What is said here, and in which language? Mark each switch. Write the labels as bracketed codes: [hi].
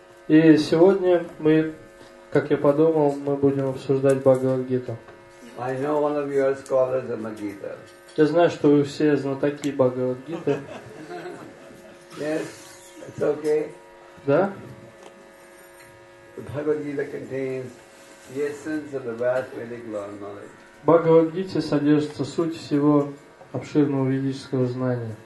[ru] И сегодня мы, как я подумал, мы будем обсуждать Бхагавад Гиту. [en] I know one of you are scholars of Gita. [ru] Я знаю, что вы все знатоки Бхагавад Гиты. [en] Yes, it's okay. [ru] Да? [en] The Bhagavad Gita contains the essence of the vast Vedic law of knowledge. [ru] В Бхагавад-гите содержится суть всего обширного ведического знания.